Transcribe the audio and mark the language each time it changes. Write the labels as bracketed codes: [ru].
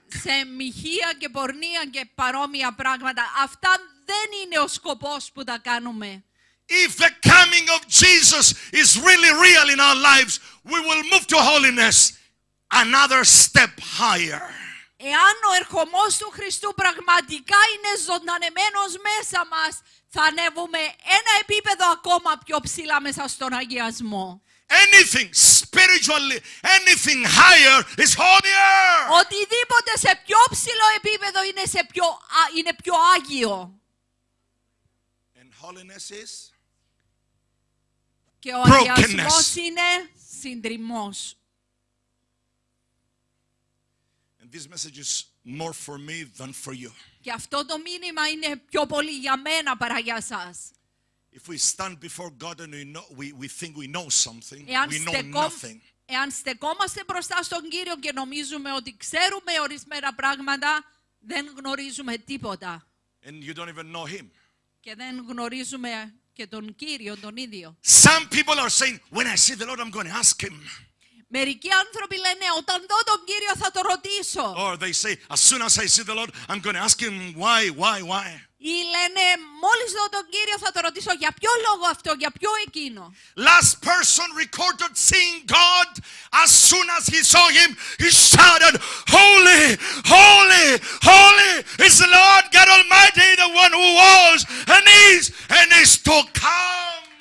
[el] σε μοιχεία και πορνεία και παρόμοια πράγματα. Αυτά δεν είναι ο σκοπός που τα κάνουμε. [en] If the coming of Jesus is really real in our lives, we will move to holiness another step higher. [el] Εάν ο ερχομός του Χριστού πραγματικά είναι ζωντανεμένος μέσα μας, θα ανέβουμε ένα επίπεδο ακόμα πιο ψηλά μέσα στον αγιασμό. [en] Anything spiritually, anything higher is holier. [el] Οτιδήποτε σε πιο ψηλό επίπεδο είναι σε πιο είναι πιο άγιο. [en] And holiness is [el] και ο αγιασμός είναι συντριμμός. [en] And this message is more for me than for you. [el] Και αυτό το μήνυμα είναι πιο πολύ για μένα παρά για σας. [en] If we stand before God and we think we know something, we know nothing. [el] εάν στεκόμαστε μπροστά στον Κύριο και νομίζουμε ότι ξέρουμε ορισμένα πράγματα, δεν γνωρίζουμε τίποτα. [en] And you don't even know him. [el] Και δεν γνωρίζουμε και τον Κύριο τον ίδιο. [en] Some people are saying, when I see the Lord, I'm going to ask him. [el] Μερικοί άνθρωποι λένε, όταν δω τον Κύριο θα το ρωτήσω. [en] Or they say, as soon as I see the Lord, I'm going to ask him why. [el] Ή λένε, μόλις δω τον Κύριο θα το ρωτήσω για ποιο λόγο αυτό, για ποιο εκείνο. [en] Last person recorded seeing God, as soon as he saw him, he shouted, holy is the Lord God Almighty, the one who was and is and is to come.